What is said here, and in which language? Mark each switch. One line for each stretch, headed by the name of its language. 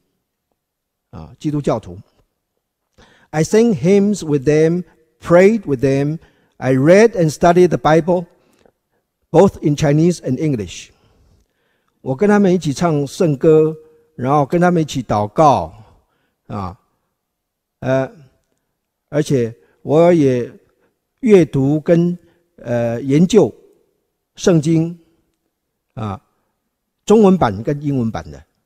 Chinese: 我在高中的时代呢，就参加了一个浸信会的附中团契，这个在信义路，然后参加了一整年，而且我尝试着想要变成一个基督徒，基督教徒。
English: I sang hymns with them, prayed with them. I read and studied the Bible, both in Chinese and English.
Chinese: 我跟他们一起唱圣歌，然后跟他们一起祷告，而且我也阅读跟研究圣经，中文版跟英文版的。